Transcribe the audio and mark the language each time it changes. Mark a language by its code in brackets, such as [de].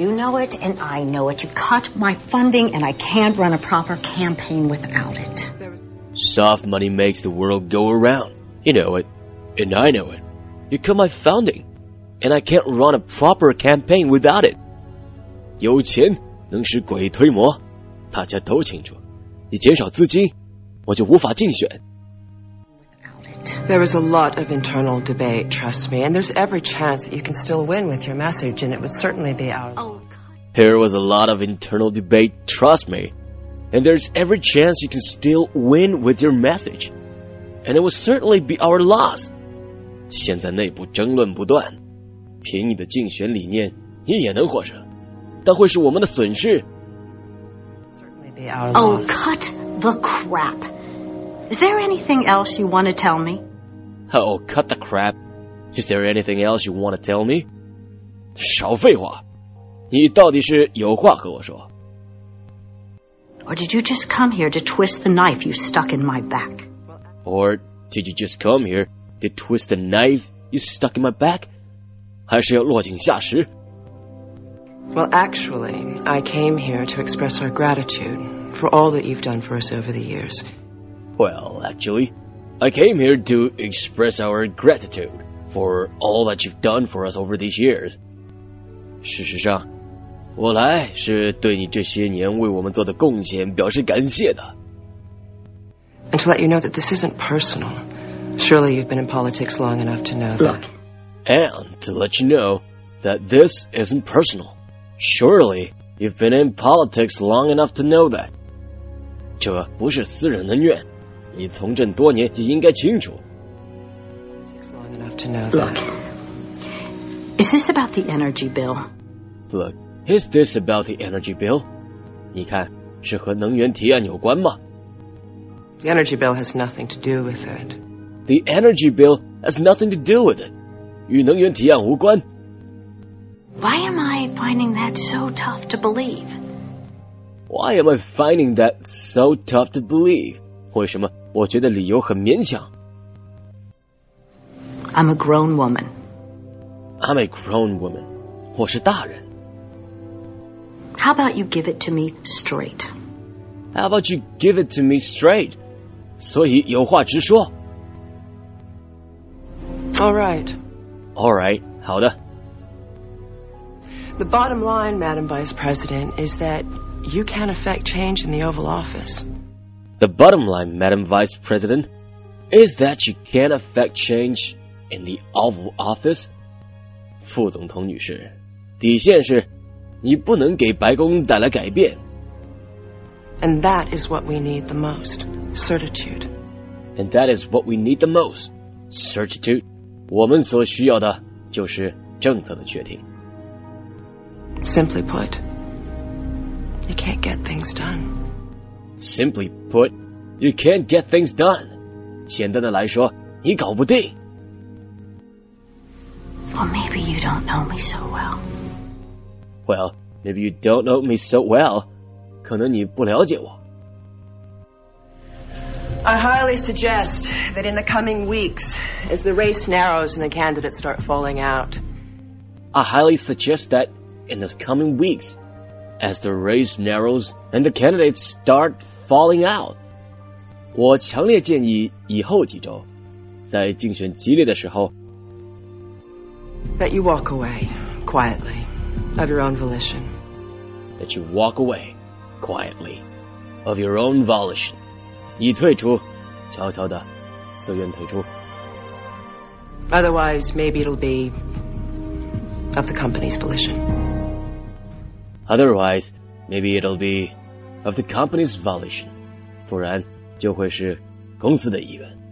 [en] You know it, and I know it. You cut my funding, and I can't run a proper campaign without it. Soft money makes the world go around. You know it, and I know it. You cut my funding, and I can't run a proper campaign without it. [zh] 有钱能使鬼推磨，大家都清楚。你减少资金，我就无法竞选。 [en] There is a lot of internal debate, trust me, and there's every chance that you can still win with your message, and it would certainly be our loss. There was a lot of internal debate, trust me, and there's every chance you can still win with your message, and it would certainly be our loss. [zh] 现在内部争论不断，凭你的竞选理念，你也能获胜，但会是我们的损失。 [en] Certainly be our loss. Oh, cut the crap. Is there anything else you want to tell me? Oh, cut the crap. Is there anything else you want to tell me? [zh] 少废话，你到底是有话和我说。 [en] Or did you just come here to twist the knife you stuck in my back? Or did you just come here to twist the knife you stuck in my back? [zh] 还是要落井下石？ [en] Well, actually, I came here to express our gratitude for all that you've done for us over the years. Well, actually, I came here to express our gratitude for all that you've done for us over these years. [zh] 事实上，我来是对你这些年为我们做的贡献表示感谢的。 [en] And to let you know that this isn't personal. Surely you've been in politics long enough to know that. And to let you know that this isn't personal. Surely you've been in politics long enough to know that. [zh] 这不是私人恩怨。你从政多年也应该清楚。 [en] Look, is this about the energy bill? Look, is this about the energy bill? [zh] 你看，是和能源提案有关吗？ [en] The energy bill has nothing to do with it. The energy bill has nothing to do with it. [zh] 与能源提案无关。 [en] Why am I finding that so tough to believe? Why am I finding that so tough to believe? [zh] 为什么我觉得理由很勉强？ [en] I'm a grown woman. I'm a grown woman. [zh] 我是大人。 [en] How about you give it to me straight? How about you give it to me straight? [zh] 所以有话直说。 [en] All right. All right, [zh] 好的。 [en] The bottom line, Madam Vice President, is that you can't affect change in the Oval Office. The bottom line, Madam Vice President, is that you can't affect change in the Oval Office. [zh] 副总统女士，底线是你不能给白宫带来改变。 [en] And that is what we need the most, certitude. And that is what we need the most, certitude. [zh] 我们所需要的就是政策的确定。 [en] Simply put, you can't get things done. Simply put, you can't get things done. [zh] 简单的来说，你搞不定。 [en] Well, maybe you don't know me so well. Well, maybe you don't know me so well. [zh] 可能你不了解我。 [en] I highly suggest that in the coming weeks, as the race narrows and the candidates start falling out. I highly suggest that... In the coming weeks, as the race narrows and the candidates start falling out. [zh] 我强烈建议以后几周，在竞选激烈的时候 [en] That you walk away, quietly, of your own volition. That you walk away, quietly, of your own volition. [zh] 你退出，悄悄地，自愿退出。 [en] Otherwise, maybe it'll be of the company's volition. Otherwise, maybe it'll be of the company's volition. [zh] 不然就会是公司的意愿。